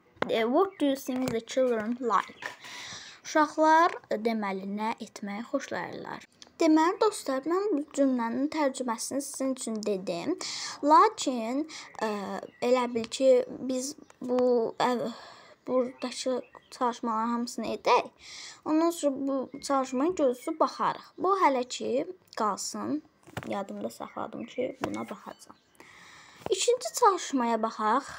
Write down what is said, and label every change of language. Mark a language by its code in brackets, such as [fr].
[en] What do you think the children like? [az] Uşaqlar deməli nə etməyə xoşlayırlar? Deməli dostlar, mən bu cümlənin tərcüməsini sizin üçün dedim. Lakin elə bil ki biz bu burdakı çalışmaların hamısını edək. Ondan sonra bu çalışmanın gözüsü baxarıq. Bu hələ ki qalsın. Yadımda saxladım ki, buna baxacağım. İkinci çalışmaya baxaq.